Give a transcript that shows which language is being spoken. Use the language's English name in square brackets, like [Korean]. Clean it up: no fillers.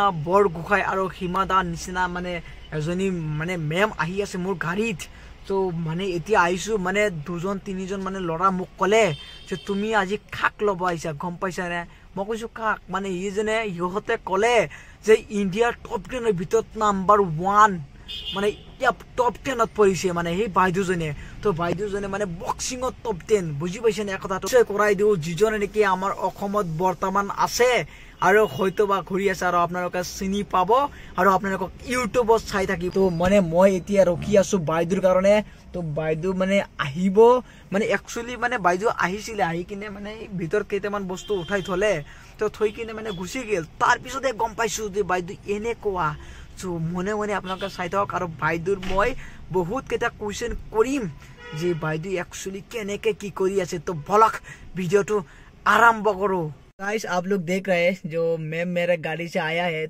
[Assamese] বৰ গোহাই আৰু হিমা দা নিচিনা মানে এজনী মানে মেম আহি আছে মোৰ গাড়ীত। তো মানে এতিয়া আহিছো মানে দুজন তিনিজন মানে লৰা মোক কলে যে তুমি আজি খাক লব আহিছা, গম পাইছা নে? মই কৈছো কাক মানে ইজনে ইহঁতে কলে যে ইণ্ডিয়াৰ টপ টেনৰ ভিতৰত নাম্বাৰ ওৱান মানে এতিয়া টপ টেনত পৰিছে মানে সেই বাইদেউজনে। তো বাইদেউজনে মানে বক্সিঙত টপ টেন, বুজি পাইছেনে? এই কথাটো কৰাই দিওঁ যিজনে নেকি আমাৰ অসমত বৰ্তমান আছে আৰু হয়তো বা ঘূৰি আছে আৰু আপোনালোকে চিনি পাব আৰু আপোনালোকক ইউটিউবত চাই থাকিব। তো মানে মই এতিয়া ৰখি আছোঁ বাইদেউৰ কাৰণে। তো বাইদেউ মানে আহিব, মানে একচুৱেলি মানে বাইদেউ আহিছিলে, আহি কিনে মানে ভিতৰত কেইটামান বস্তু উঠাই থলে, তো থৈ কিনে মানে গুচি গ'ল। তাৰপিছতে গম পাইছোঁ যে বাইদেউ এনেকুৱা। তো মনে মনে আপোনালোকে চাই থাকক আৰু বাইদেউৰ মই বহুত কেইটা কুৱেশ্যন কৰিম যে বাইদেউ একচুৱেলি কেনেকৈ কি কৰি আছে। তো বলক ভিডিঅ'টো আৰম্ভ কৰোঁ। [Hindi] गाइस आप लोग देख रहे हैं जो मैम मेरे गाड़ी से आया है।